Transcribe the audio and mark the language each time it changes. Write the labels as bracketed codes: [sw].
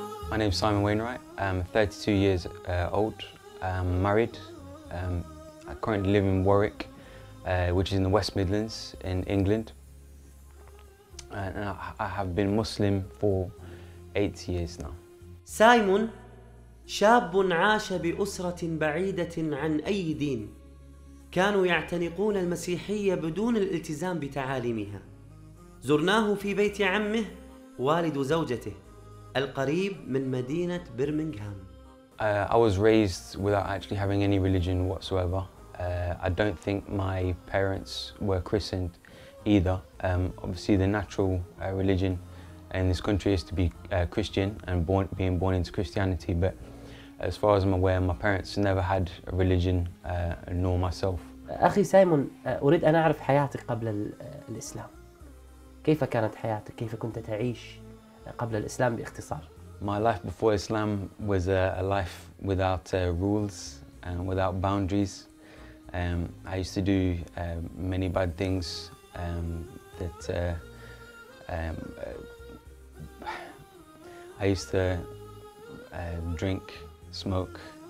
[en] My name is Simon Wainwright. I'm 32 years old. I'm married. I currently live in Warwick, which is in the West Midlands in England. And I have been Muslim for 8 years now. [ar] Simon, شاب عاش بأسرة بعيدة عن أي دين. كانوا يعتنقون المسيحية بدون الالتزام بتعاليمها. زرناه في بيت عمه والد زوجته. القريب من مدينة برمنغهام. [en] I was raised without actually having any religion whatsoever. I don't think my parents were christened either. Obviously the natural religion in this country is to be Christian and being born into Christianity, but as far as I'm aware my parents never had a religion nor myself. [ar] أخي سايمون أريد أن أعرف حياتك قبل الإسلام. كيف كانت حياتك؟ كيف كنت تعيش؟ قبل الإسلام باختصار. [en] My life before Islam was a life without rules and without boundaries. I used to do many bad things that I used to drink, smoke.